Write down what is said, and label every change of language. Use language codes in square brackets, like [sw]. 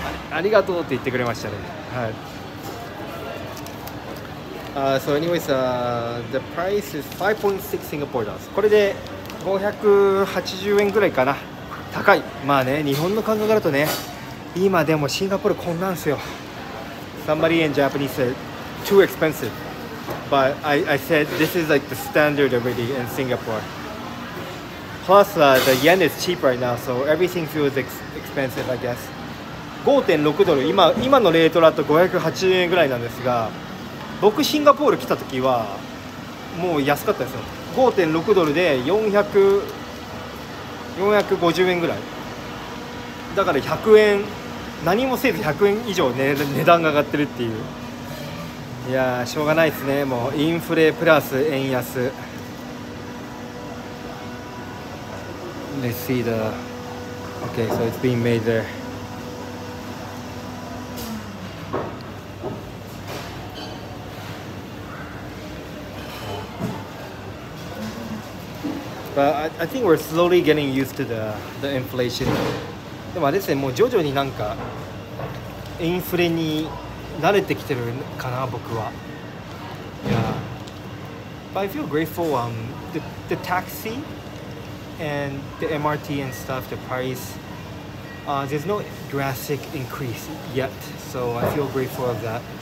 [ja] ありがとうって言ってくれましたね。はい。 [en] So anyways, the price is 5.6 Singapore dollars. [ja] これで580円ぐらいかな。高い。まあね、日本の感覚だとね、今でもシンガポールこんなんすよ。 [en] Somebody in Japanese said too expensive, but I said this is like the standard already in Singapore. Plus, the yen is cheap right now, so everything feels expensive, I guess. [ja] 5.6 ドル、今のレートだと580円ぐらいなんですが、僕シンガポール来た時はもう安かったですよ。 5.6 ドルで450円ぐらい。だから100円、何もせず100円以上、ね、値段が上がってるっていう。いやー、しょうがないですね。もうインフレプラス円安。 [en] Let's see the... Okay, so it's being made there. But I think we're slowly getting used to the inflation. [ja] でもあれですね、もう徐々になんかインフレに慣れてきてるかな、僕は。 [en] Yeah. But I feel grateful. The taxi and the MRT and stuff, the price, there's no drastic increase yet. So I feel grateful of that.